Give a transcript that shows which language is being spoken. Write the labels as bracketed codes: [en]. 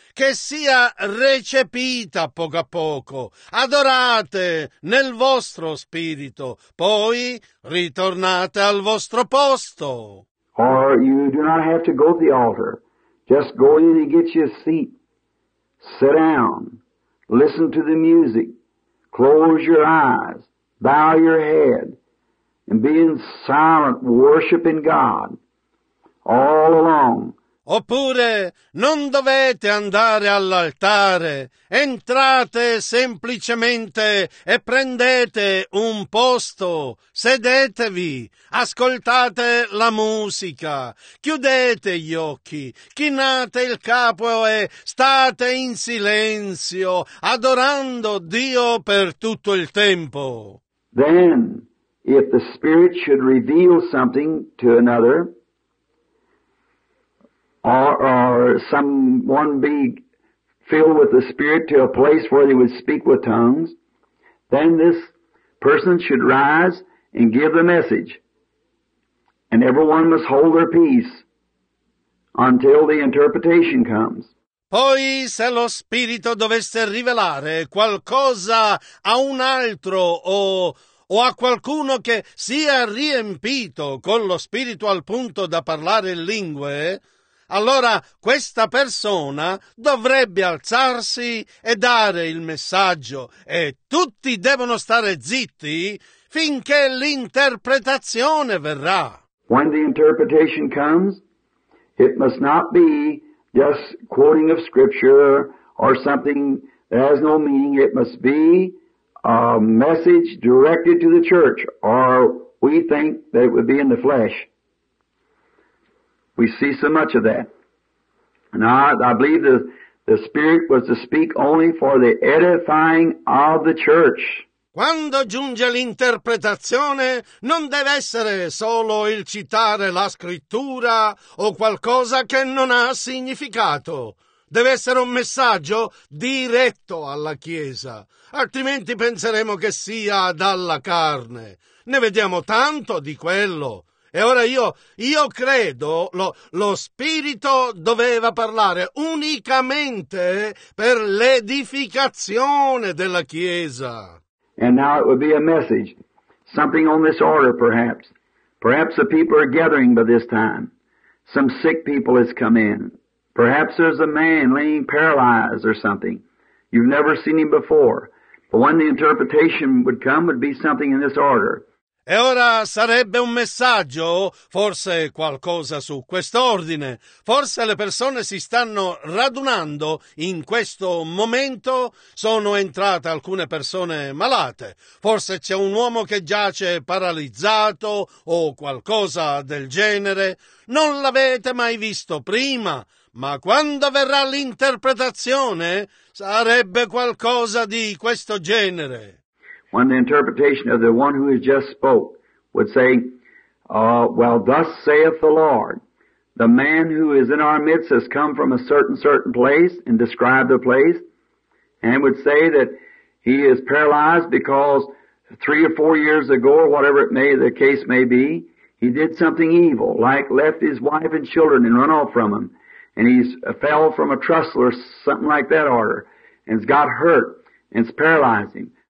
[it] Che sia recepita poco a poco. Adorate nel vostro spirito. Poi ritornate al vostro posto. [en] Or you do not have to go to the altar. Just go in and get you a seat. Sit down. Listen to the music. Close your eyes. Bow your head. And be in silent worshiping God. All along. [it] Oppure non dovete andare all'altare, entrate semplicemente e prendete un posto, sedetevi, ascoltate la musica, chiudete gli occhi, chinate il capo e state in silenzio, adorando Dio per tutto il tempo. [en] Then, if the Spirit should reveal something to another, or someone be filled with the Spirit to a place where they would speak with tongues, then this person should rise and give the message. And everyone must hold their peace until the interpretation comes. [it] Poi, se lo Spirito dovesse rivelare qualcosa a un altro o a qualcuno che sia riempito con lo Spirito al punto da parlare in lingue, allora questa persona dovrebbe alzarsi e dare il messaggio, e tutti devono stare zitti finché l'interpretazione verrà. [en] When the interpretation comes, it must not be just quoting of Scripture or something that has no meaning. It must be a message directed to the church, or we think that it would be in the flesh. We see so much of that. Now, I believe the Spirit was to speak only for the edifying of the church. [it] Quando giunge l'interpretazione, non deve essere solo il citare la scrittura o qualcosa che non ha significato. Deve essere un messaggio diretto alla Chiesa, altrimenti penseremo che sia dalla carne. Ne vediamo tanto di quello. E ora io credo lo Spirito doveva parlare unicamente per l'edificazione della Chiesa. [en] And now it would be a message, something on this order perhaps. Perhaps the people are gathering by this time. Some sick people has come in. Perhaps there's a man laying paralyzed or something. You've never seen him before. But when the interpretation would come, would be something in this order. [it] E ora sarebbe un messaggio, forse qualcosa su quest'ordine. Forse le persone si stanno radunando in questo momento, sono entrate alcune persone malate. Forse c'è un uomo che giace paralizzato o qualcosa del genere. Non l'avete mai visto prima, ma quando verrà l'interpretazione sarebbe qualcosa di questo genere. [en] When the interpretation of the one who has just spoke would say, well, thus saith the Lord, the man who is in our midst has come from a certain place and described the place and would say that he is paralyzed because 3 or 4 years ago, or whatever the case may be, he did something evil, like left his wife and children and run off from him, and he's fell from a trestle or something like that order and has got hurt and it's paralyzing.